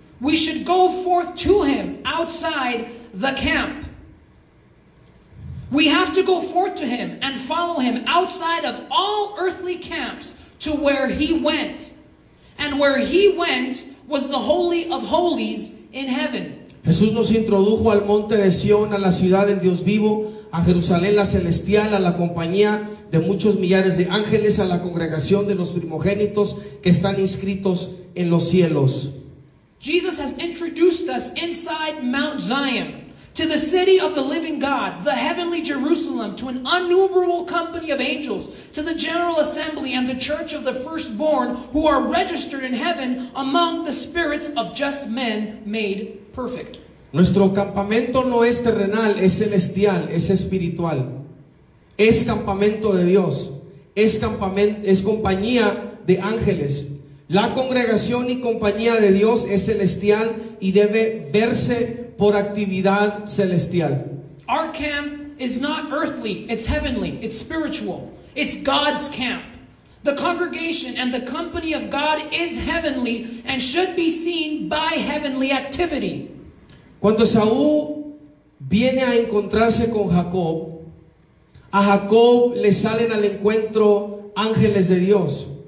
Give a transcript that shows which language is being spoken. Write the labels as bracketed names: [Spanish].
[English] We should go forth to him outside the camp. We have to go forth to him and follow him outside of all earthly camps to where he went. And where he went was the Holy of Holies in heaven. [Spanish] Jesús nos introdujo al monte de Sion, a la ciudad del Dios vivo, a Jerusalén la celestial, a la compañía de muchos millares de ángeles, a la congregación de los primogénitos que están inscritos en los cielos. [English] Jesus has introduced us inside Mount Zion, to the city of the living God, the heavenly Jerusalem, to an innumerable company of angels, to the general assembly and the church of the firstborn who are registered in heaven among the spirits of just men made perfect. [Spanish] Nuestro campamento no es terrenal, es celestial, es espiritual. Es campamento de Dios. Es compañía de ángeles. La congregación y compañía de Dios es celestial y debe verse por actividad celestial. [English] Our camp is not earthly, it's heavenly, it's spiritual. It's God's camp. The congregation and the company of God is heavenly and should be seen by heavenly activity. [Spanish] Cuando Saúl viene a encontrarse con Jacob, a Jacob le salen al encuentro ángeles de Dios.